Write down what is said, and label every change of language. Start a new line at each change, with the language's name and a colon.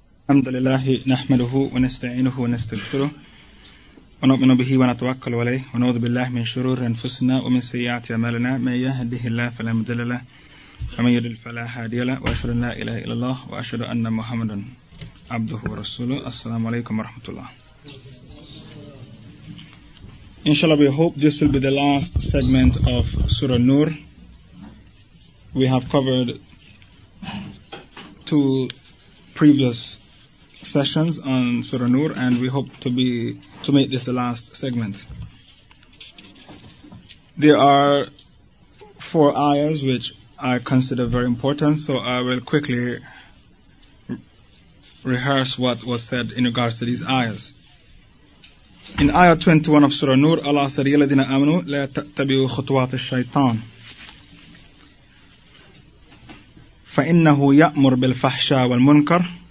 Arabic: الحمد لله نحمده ونستعينه ونستغفره ونؤمن به ونتوكل عليه ونعوذ بالله من شرور أنفسنا ومن سيئات أعمالنا من يهده الله فلا مضل له ومن يضلل فلا هادي له وأشهد أن لا إله إلا الله وأشهد أن محمدا عبده ورسوله السلام عليكم ورحمة الله إن شاء الله
English: we hope this will be the last segment of Surah Nur. We have covered two previous sessions on Surah Nur, and we hope to make this the last segment. There are four ayahs which I consider very important, so I will quickly rehearse what was said in regards to these ayahs. In ayah 21 of Surah Nur, Allah said,
Arabic: يَا لَدِينَ آمَنُوا لَا تَتَّبِعُوا خُطُوَاتِ الشَّيْطَانِ فَإِنَّهُ يَأْمُرُ بِالْفَحْشَى وَالْمُنْكَرِ.